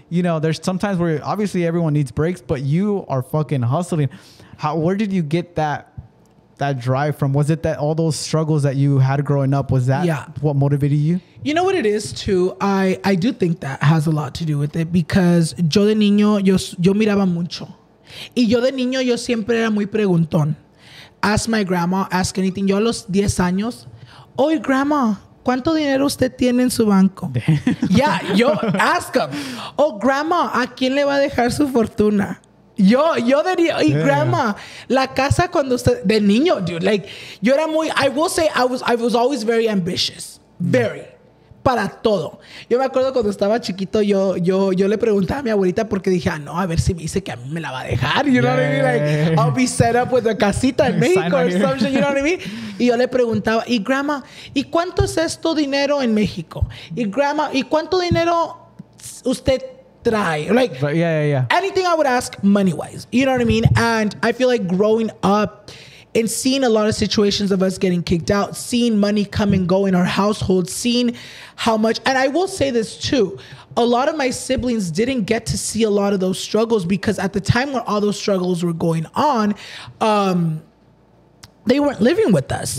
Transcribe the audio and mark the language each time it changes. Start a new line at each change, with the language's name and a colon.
English: You know, there's sometimes where obviously everyone needs breaks, but you are fucking hustling. Where did you get that drive from? Was it that all those struggles that you had growing up, was that what motivated you? You know what it is too? I do think that has a lot to do with it, because
Spanish: yo de niño, yo miraba mucho. Y yo de niño, yo siempre era muy preguntón.
English: Ask my grandma, ask anything.
Spanish: Yo a los 10 años, oye, grandma, ¿cuánto dinero usted tiene en su banco?
English: Damn. Yeah, yo ask him.
Spanish: Oh, grandma, ¿a quién le va a dejar su fortuna? Yo de niño, y grandma, la casa cuando usted, de niño, dude, like, yo era muy,
English: I will say, I was always very ambitious, very,
Spanish: para todo. Yo me acuerdo cuando estaba chiquito, yo le preguntaba a mi abuelita porque dije, ah, no, a ver si me dice que a mí me la va a dejar, you know what I mean,
English: like, I'll be set up with a casita en México or something,
Spanish: you know what I mean, y yo le preguntaba, y grandma, ¿y cuánto es esto dinero en México? Y grandma, ¿y cuánto dinero usted try, like,
English: but yeah anything I would ask money wise, you know what I mean? And I feel like growing up, and seen a lot of situations of us getting kicked out, seen money come and go in our household, seen how much. And I will say this too. A lot of my siblings didn't get to see a lot of those struggles because at the time where all those struggles were going on, they weren't living with us.